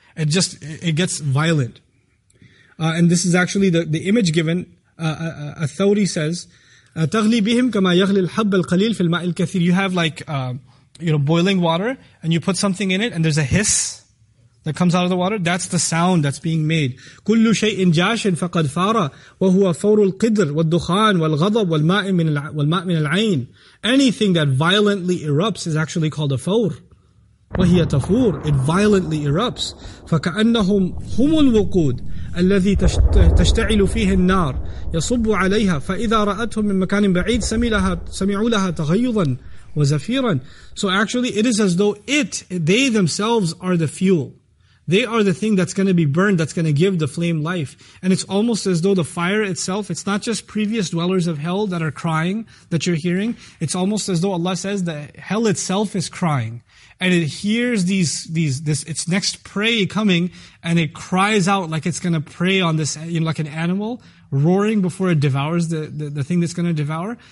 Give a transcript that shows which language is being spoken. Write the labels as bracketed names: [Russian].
[English] It gets violent. And this is actually the image given. A Thawri says, [Arabic] تَغْلِي بِهِمْ كَمَا يَغْلِي الْحَبَّ الْقَلِيلِ فِي الْمَاءِ الْكَثِيرِ. [English] You have like, boiling water and you put something in it and there's a hiss that comes out of the water. That's the sound that's being made. [Arabic] كل شيء جاش فقد فار وهو فور القدر والدخان والغضب والماء من العين. [English] Anything that violently erupts is actually called a فور. [Arabic] وهي تفور. [English] It violently erupts. [Arabic] فكأنهم هم الوقود الذي تشتعل فيه النار يصب عليها فإذا رأتهم من مكان بعيد سمعوا لها تغيظا وزفيرا. [English] So actually, it is as though they themselves are the fuel. They are the thing that's going to be burned, that's going to give the flame life. And it's almost as though the fire itself, it's not just previous dwellers of hell that are crying, that you're hearing. It's almost as though Allah says that hell itself is crying. And it hears this its next prey coming, and it cries out like it's going to prey on this, you know, like an animal, roaring before it devours the thing that's going to devour.